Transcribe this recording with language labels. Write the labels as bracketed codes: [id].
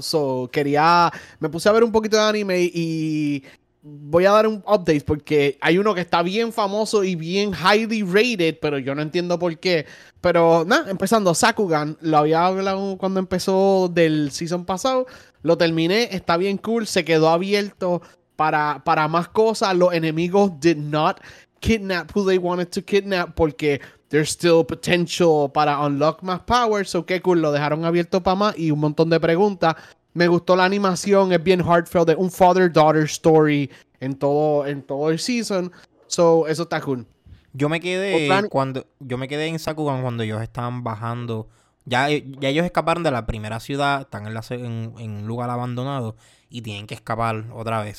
[es] So, me puse a ver un poquito de anime y voy a dar un update porque hay uno que está bien famoso y bien [en] highly rated, [es] pero yo no entiendo por qué. Pero, nada, empezando, Sakugan. Lo había hablado cuando empezó del season pasado. Lo terminé, está bien cool, se quedó abierto para más cosas. Los enemigos [en] did not kidnap who they wanted to kidnap porque there's still potential para unlock más powers. [es] So, qué cool, lo dejaron abierto para más y un montón de preguntas. Me gustó la animación, es bien heartfelt, es un [en] father-daughter story [es] en todo el season. So, eso está cool. Yo me quedé en Sakugan cuando ellos estaban bajando. Ya ellos escaparon de la primera ciudad, están en un lugar abandonado y tienen que escapar otra vez.